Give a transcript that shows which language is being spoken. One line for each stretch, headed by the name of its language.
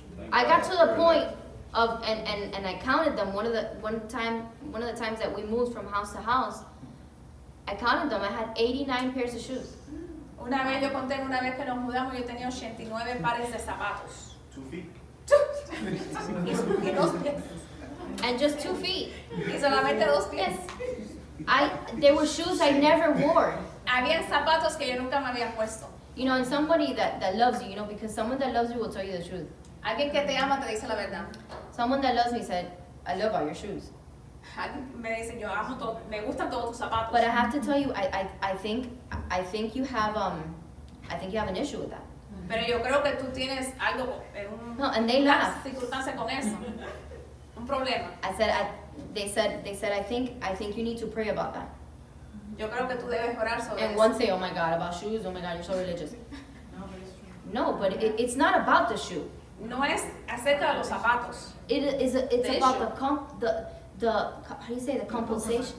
English: I got to the point of and I counted them one of the times that we moved from house to house. I counted them. I had 89 pairs of shoes.
Spanish: Una vez yo conté, una vez que nos mudamos, yo tenía 89 pares de zapatos.
English: 2 feet.
Spanish: Y dos pies.
English: And just 2 feet.
Spanish: Y solamente dos pies.
English: There were shoes I never wore.
Spanish: Habían zapatos que yo nunca me había puesto.
English: You know, and somebody that loves you, you know, because someone that loves you will tell you the truth.
Spanish: Alguien que te ama te dice la verdad.
English: Someone that loves me said, I love all your shoes. But I have to tell you, I think you have I think you have an issue with that.
Spanish: Pero yo creo que tú tienes algo circunstancia con eso. Un problema.
English: I said they said I think you need to pray about that.
Spanish: Yo creo que tú debes orar sobre
English: and
Spanish: eso.
English: One say, oh my God, about shoes, oh my God, you're so religious.
Spanish: No,
English: but it's not about the shoe.
Spanish: No es acerca de los zapatos.
English: It is it's about the how do you say the compulsion?